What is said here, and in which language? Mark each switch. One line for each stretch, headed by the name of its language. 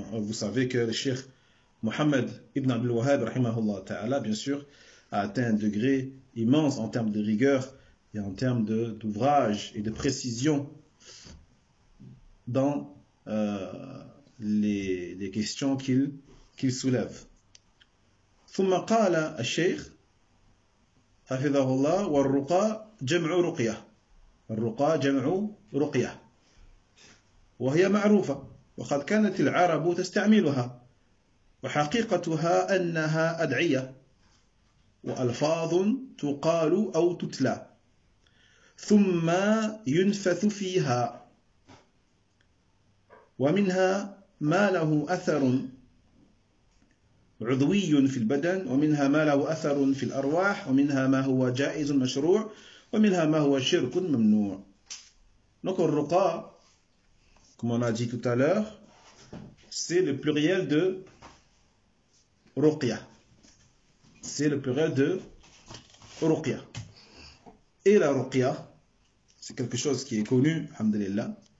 French: Vous savez que le cheikh Mohamed Ibn Abdul Wahhab, rahimahullah ta'ala, bien sûr, a atteint un degré immense en termes de rigueur et en termes d'ouvrage et de précision dans les questions qu'il soulève.
Arabic: ثم قال الشيخ حفظه الله والرقى جمع رقية الرقى جمع رقية وهي معروفة وقد كانت العرب تستعملها وحقيقتها أنها أدعية وألفاظ تقال أو تتلى ثم ينفث فيها ومنها ما له أثر عضوي في البدن ومنها ما له أثر في الأرواح ومنها ما هو جائز مشروع ومنها ما هو شرك ممنوع.
French: Donc الرقى, comme on a dit tout à l'heure, c'est le pluriel de رقية. C'est le pluriel de رقية. Et la رقية, c'est quelque chose qui est connu, alhamdulillah.